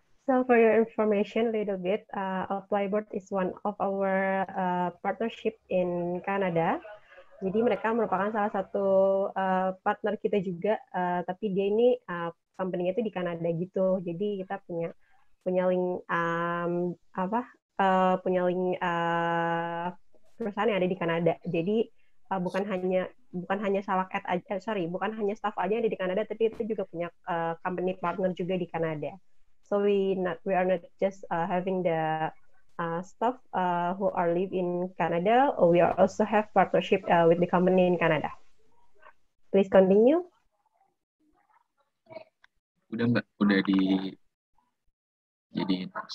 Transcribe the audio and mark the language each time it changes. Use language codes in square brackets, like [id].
[en] So for your information, a little bit, Apply Board is one of our partnership in Canada. [id] Jadi mereka merupakan salah satu partner kita juga. Tapi dia ini company-nya itu di Kanada gitu. Jadi kita punya link perusahaan yang ada di Kanada. Jadi bukan hanya staff aja yang ada di Kanada, tapi itu juga punya company partner juga di Kanada. [en] So we are not just having the staff who are live in Canada. We are also have partnership with the company in Canada. Please continue. [id] Udah mbak, udah di jadi.